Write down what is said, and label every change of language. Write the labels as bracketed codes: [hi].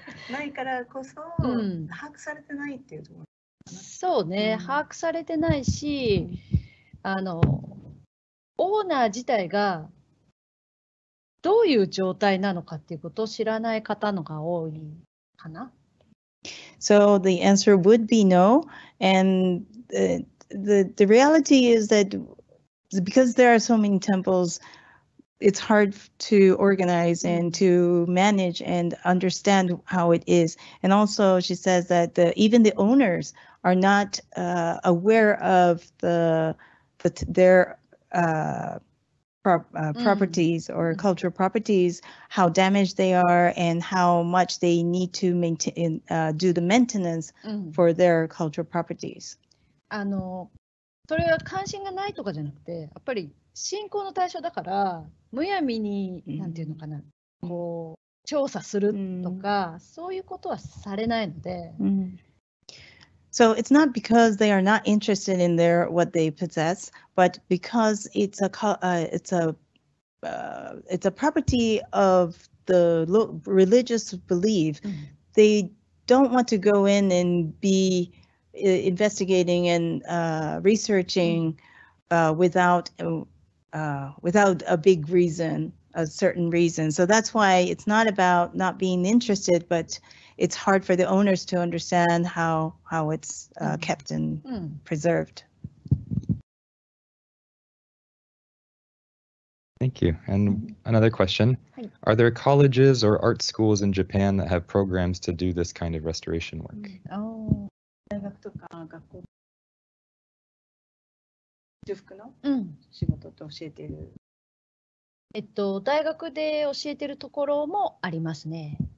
[ja] ないからこそ把握されてないっていうところかな。そうね、把握されてないし、あのオーナー自体がどういう状態なのかっていうことを知らない方のが多いかな。 [en] So the answer would be no, and the reality is that. Because there are so many temples, it's hard to organize and to manage and understand how it is. And also, she says that even the owners are not aware of their properties or cultural properties, how damaged they are and how much they need to maintain, do the maintenance for their cultural properties. [ja] それは関心がないとかじゃなくて、やっぱり信仰の対象だから、むやみに、なんていうのかな、こう調査するとか、そういうことはされないので。 [en] So it's not because they are not interested in their what they possess, but because it's a property of the religious belief, they don't want to go in and be. Investigating and researching without a big reason, a certain reason. So that's why it's not about not being interested, but it's hard for the owners to understand how it's kept and preserved. Thank you. And another question. Are there colleges or art schools in Japan that have programs to do this kind of restoration work? Oh. [ja] 大学とか学校修復の仕事って教えてる、大学で教えてるところもありますね。